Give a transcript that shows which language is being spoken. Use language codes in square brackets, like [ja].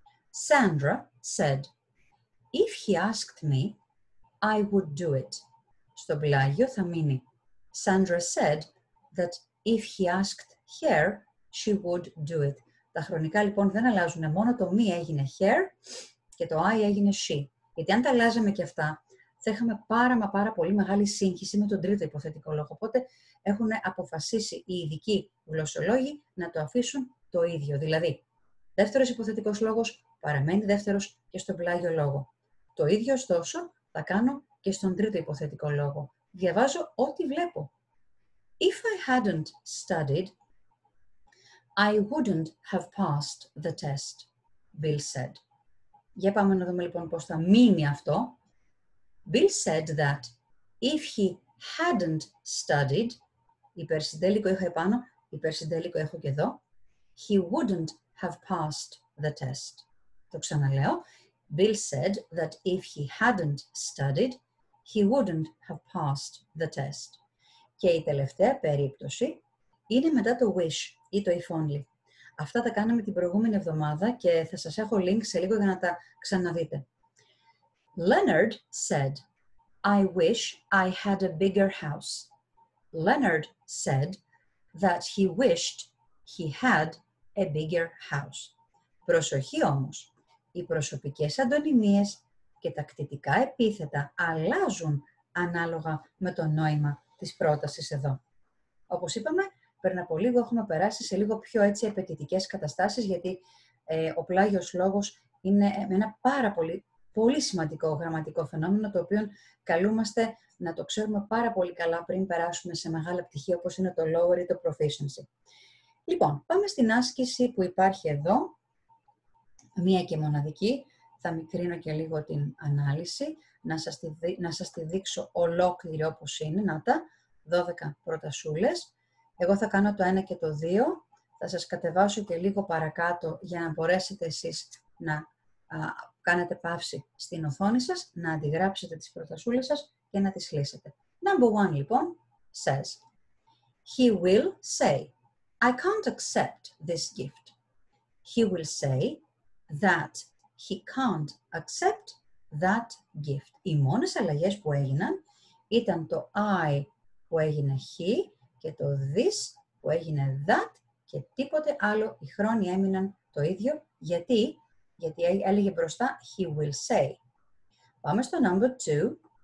[en] Sandra said, if he asked me, I would do it. [el] Στο πλάγιο θα μείνει. [en] Sandra said that if he asked her, she would do it. [el] Τα χρονικά λοιπόν δεν αλλάζουν, μόνο το me έγινε her και το I έγινε she. Γιατί αν τα αλλάζαμε και αυτά, θα είχαμε πάρα πολύ μεγάλη σύγχυση με τον τρίτο υποθετικό λόγο. Οπότε έχουν αποφασίσει οι ειδικοί γλωσσολόγοι να το αφήσουν το ίδιο. Δηλαδή, δεύτερος υποθετικός λόγος παραμένει δεύτερος και στον πλάγιο λόγο. Το ίδιο ωστόσο θα κάνω και στον τρίτο υποθετικό λόγο. Διαβάζω ό,τι βλέπω. [en] If I hadn't studied, I wouldn't have passed the test, Bill said. [el] Για πάμε να δούμε λοιπόν πώς θα μείνει αυτό. [en] Bill said that if he hadn't studied, [el] υπερσυντέλικο έχω επάνω, υπερσυντέλικο έχω και εδώ, [en] he wouldn't have passed the test. [el] Το ξαναλέω. [en] Bill said that if he hadn't studied, he wouldn't have passed the test. [el] Και η τελευταία περίπτωση, είναι μετά το Wish ή το If Only. Αυτά τα κάναμε την προηγούμενη εβδομάδα και θα σας έχω link σε λίγο για να τα ξαναδείτε. [en] Leonard said, I wish I had a bigger house. Leonard said that he wished he had a bigger house. [el] Προσοχή όμως, οι προσωπικές αντωνυμίες και τα κτητικά επίθετα αλλάζουν ανάλογα με το νόημα της πρότασης εδώ. Όπως είπαμε, πριν από λίγο έχουμε περάσει σε λίγο πιο έτσι επαιτητικές καταστάσεις, γιατί ο πλάγιος λόγος είναι ένα πάρα πολύ, πολύ σημαντικό γραμματικό φαινόμενο, το οποίο καλούμαστε να το ξέρουμε πάρα πολύ καλά πριν περάσουμε σε μεγάλα πτυχία, όπως είναι το lower ή το proficiency. Λοιπόν, πάμε στην άσκηση που υπάρχει εδώ, μία και μοναδική. Θα μικρύνω και λίγο την ανάλυση, να σας τη δείξω ολόκληρη όπως είναι. Να τα, 12 προτασούλες. Εγώ θα κάνω το 1 και το 2. Θα σας κατεβάσω και λίγο παρακάτω για να μπορέσετε εσείς να κάνετε παύση στην οθόνη σας, να αντιγράψετε τις προτασούλες σας και να τις λύσετε. [en] Number 1, λοιπόν, says, He will say, I can't accept this gift. He will say that he can't accept that gift. [el] Οι μόνες αλλαγές που έγιναν ήταν το I που έγινε he και το this που έγινε that και τίποτε άλλο. Οι χρόνοι έμειναν το ίδιο. Γιατί? Γιατί έλεγε μπροστά [en] he will say. [el] Πάμε στο number 2.